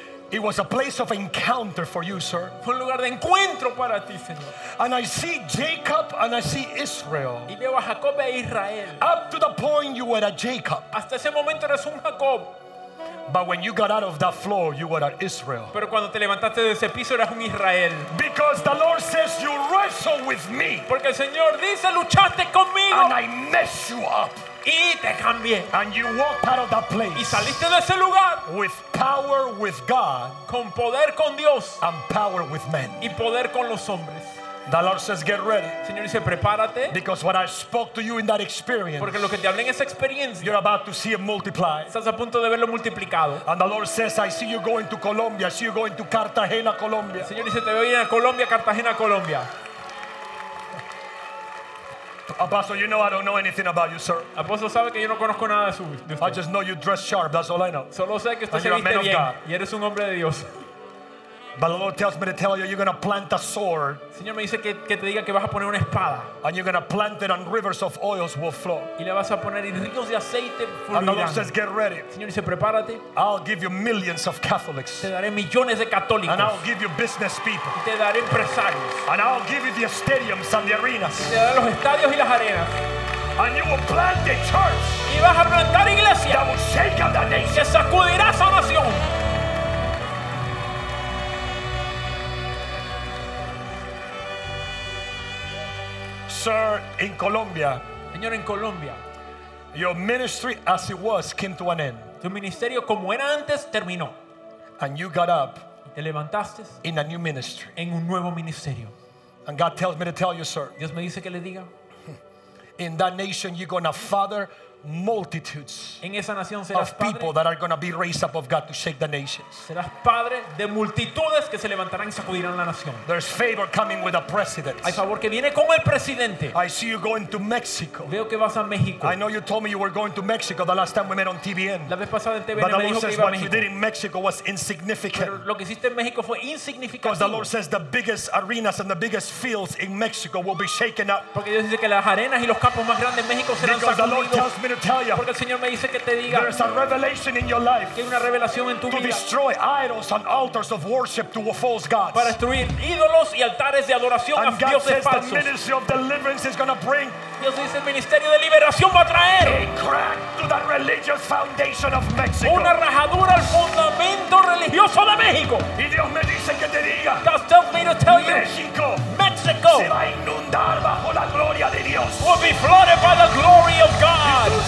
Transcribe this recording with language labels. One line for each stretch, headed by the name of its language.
English: It was a place of encounter for you, sir.
Spanish: Fue un lugar de encuentro para ti, Señor.
English: And I see Jacob and I see Israel.
Spanish: Y veo a Jacob e Israel.
English: Up to the point you were a Jacob.
Spanish: Hasta ese momento eres un Jacob.
English: But when you got out of that floor, you were an Israel.
Spanish: Pero cuando te levantaste de ese piso, eras un Israel.
English: Because the Lord says you wrestled with me.
Spanish: Porque el Señor dice, luchaste conmigo.
English: And I messed you up.
Spanish: Y te cambié.
English: And you walked out of that place.
Spanish: Y saliste de ese lugar.
English: With power with God.
Spanish: Con poder con Dios.
English: And power with men.
Spanish: Y poder con los hombres.
English: The Lord says, "Get ready."
Spanish: Señor dice, prepárate.
English: Because what I spoke to you in that experience,
Spanish: porque lo que te hablé en esa experiencia,
English: you're about to see it multiply.
Spanish: Estás a punto de verlo multiplicado.
English: And the Lord says, "I see you going to Colombia. I see you going to Cartagena, Colombia."
Spanish: Señor dice, te veo ir a Colombia, Cartagena, Colombia.
English: Apostle, you know I don't know anything about you, sir.
Spanish: Apostle, sabe que yo no conozco nada de usted.
English: I just know you dress sharp. That's all I know.
Spanish: Solo sé que usted se viste bien. Y eres un hombre de Dios.
English: But the Lord tells me to tell you, you're going to plant a sword.
Spanish: Señor me dice que te diga que vas a poner una espada.
English: And you're going to plant it, and rivers of oils will flow.
Spanish: Y le vas a poner ríos de aceite fluirán.
English: And the Lord says, get ready.
Spanish: Señor dice, prepárate.
English: I'll give you millions of Catholics.
Spanish: Te daré millones de católicos.
English: And I'll give you business people.
Spanish: Y te daré empresarios.
English: And I'll give you the stadiums and the arenas.
Spanish: Y te daré los estadios y las arenas.
English: And you will plant the church.
Spanish: Y vas a plantar iglesia.
English: That will shake up the nation.
Spanish: Que sacudirá esa nación.
English: Sir, in Colombia,
Spanish: Señor, en Colombia,
English: your ministry as it was came to an end.
Spanish: Tu ministerio como era antes terminó.
English: And you got up.
Spanish: Te levantaste.
English: In a new ministry.
Spanish: En un nuevo ministerio.
English: And God tells me to tell you, sir.
Spanish: Dios me dice que le diga.
English: In that nation, you're going to father multitudes
Spanish: en esa nación serás
English: of people
Spanish: padre,
English: that are going to be raised up of God to shake the nations.
Spanish: Serás padre de multitudes que se levantarán y sacudirán la nación.
English: There's favor coming with a president.
Spanish: Hay favor que viene con el presidente.
English: I see you going to Mexico.
Spanish: Veo que vas a México.
English: I know you told me you were going to Mexico the last time we met on TVN.
Spanish: La vez pasada en TVN
English: but the
Spanish: me
English: Lord
Spanish: dijo
English: says
Spanish: que iba
English: what you did in Mexico was insignificant.
Spanish: Pero lo que hiciste en México fue insignificativo.
English: Because the Lord says the biggest arenas and the biggest fields in Mexico will be shaken up.
Spanish: Porque Dios dice que las arenas y los campos más grandes en México serán
English: because
Spanish: sacudidos.
English: The Lord tell you,
Spanish: porque el Señor me dice que te diga,
English: there's a revelation in your life
Spanish: que hay una revelación en tu
English: to
Spanish: vida,
English: destroy idols and altars of worship to false gods.
Spanish: Para destruir ídolos y altares de adoración
English: and
Spanish: a
English: God
Spanish: dioses
English: says
Spanish: falsos.
English: The ministry of deliverance is going to bring
Spanish: Dios dice, el ministerio de liberación va a traer
English: a crack to the religious foundation of Mexico.
Spanish: Una rajadura al fundamento religioso de México. Y Dios me dice que te diga,
English: God tells me to tell you, Mexico, Mexico
Spanish: se va a inundar bajo la gloria de Dios.
English: Will be flooded by the glory of God.